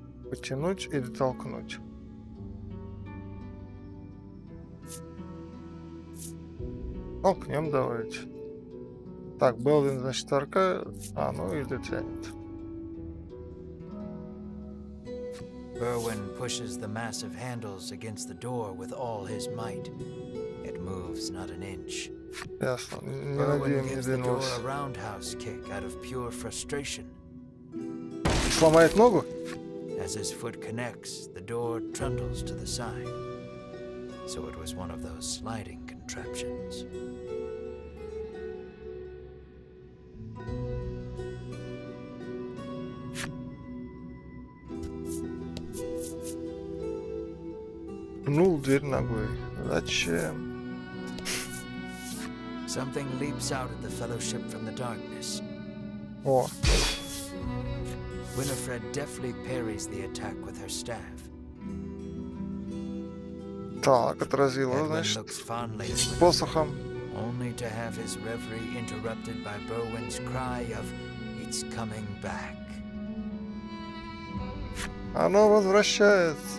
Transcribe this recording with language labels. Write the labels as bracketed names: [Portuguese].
[Russian] Потянуть или толкнуть? Толкнем давайте. Так, Белвин, значит, арка. А, ну или тянет. [English] Berwin pushes the massive handles against the door with all his might. It moves not an inch. Берwin gives the door a roundhouse kick out of pure frustration. [Russian] Сломает ногу? [English] As his foot connects, the door trundles to the side. So it was one of those sliding contraptions. [Russian] Пнул дверь ногой. Зачем? [English] Something leaps out at the fellowship from the darkness. [Russian] О. [English] Winifred deftly parries the attack with her staff. [Russian] Так, отразила, значит, с посохом. [English] Only to have his reverie interrupted by Berwin's cry of "It's coming back." [Russian] Оно возвращается.